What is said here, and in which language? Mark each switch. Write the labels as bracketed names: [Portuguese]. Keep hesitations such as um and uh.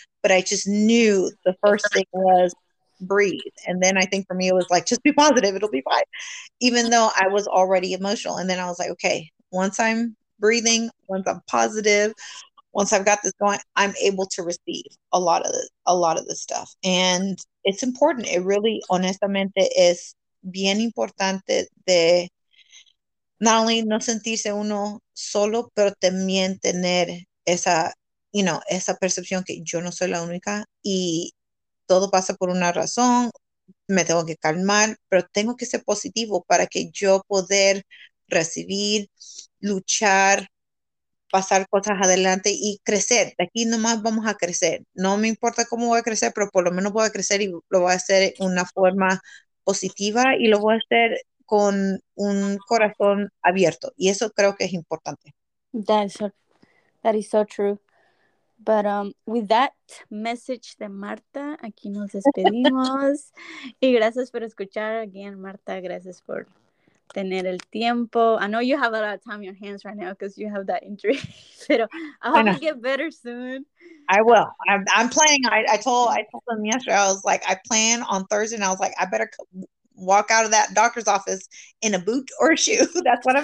[English] But I just knew the first thing was breathe. And then I think for me, it was like, just be positive, it'll be fine even though I was already emotional. And then I was like, okay, once I'm breathing, once I'm positive, once I've got this going, I'm able to receive a lot of the, a lot of this stuff. And it's important. It really, [Spanish] honestamente, es bien importante de [English] not only [Spanish] no sentirse uno solo, pero también tener esa, [English] you know, [Spanish] esa percepción que yo no soy la única y todo pasa por una razón, me tengo que calmar, pero tengo que ser positivo para que yo poder recibir, luchar, pasar cosas adelante y crecer. De aquí nomás vamos a crecer. No me importa cómo voy a crecer, pero por lo menos voy a crecer y lo voy a hacer de una forma positiva y lo voy a hacer con un corazón abierto. Y eso creo que es importante. [English] That is so, that is so true. But um, with that message [Spanish] de Marta, aquí nos despedimos. y gracias por escuchar. [English] Again, [Spanish] Marta, gracias por tener el tiempo. [English] I know you have a lot of time on your hands right now because you have that injury. [Spanish] Pero [English] I hope know. you get better soon. I will. I'm, I'm planning. I, I told I told them yesterday. I was like, I plan on Thursday, and I was like, I better c- walk out of that doctor's office in a boot or a shoe. That's what I'm.